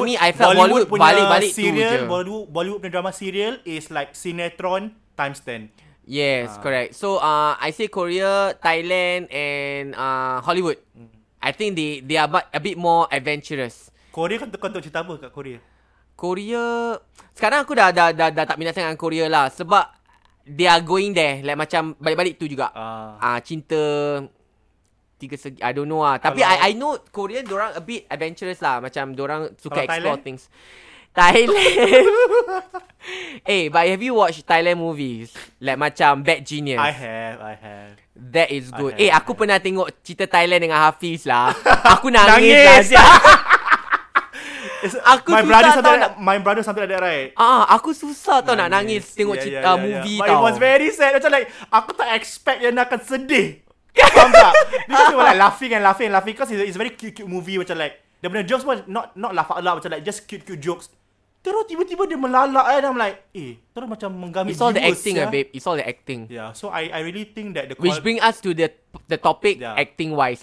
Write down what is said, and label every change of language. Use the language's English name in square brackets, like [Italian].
[English] for me, I felt Bollywood [Malay] balik-balik [English] serial, [Malay] tu je. [English] Bollywood punya drama serial is like sinetron times 10. Yes, correct. So, I say Korea, Thailand and Hollywood. I think they are a bit more adventurous. [Malay] Korea kan tukar-tukar cerita apa kat Korea? Korea... Sekarang aku dah tak minat sangat dengan Korea lah. [English] Sebab they are going there. Like [Malay] macam balik-balik tu juga. [English] Cinta... [Malay] Tiga segi, [English] I don't know lah. Tapi I know Korean diorang a bit adventurous lah. [Malay] Macam diorang suka explore [English] Things. Thailand. Eh, but have you watched Thailand movies? Like macam Bad Genius. I have. That is good. [Malay] Aku pernah tengok cerita Thailand dengan Hafiz lah. Aku nangis lah. Aku my susah tau nak... [English] My brother something like that, right? [Malay] Aku susah tau nak nangis tengok cerita movie [English] but [Malay] tau. [English] It was very sad. [Malay] Macam like, aku tak expect yang akan sedih. Faham tak? [English] Because you were like laughing because it's a very cute movie. [Malay] Macam like dia punya [English] jokes pun not laugh out loud, macam like just cute jokes. [Malay] Terus tiba-tiba dia melalak [English] and I'm like, eh, [Malay] terus macam menggamit [English] viewers. It's all the acting, yeah. Babe. It's all the acting. Yeah, so I really think that the quality... Which bring us to the topic, yeah. Acting-wise.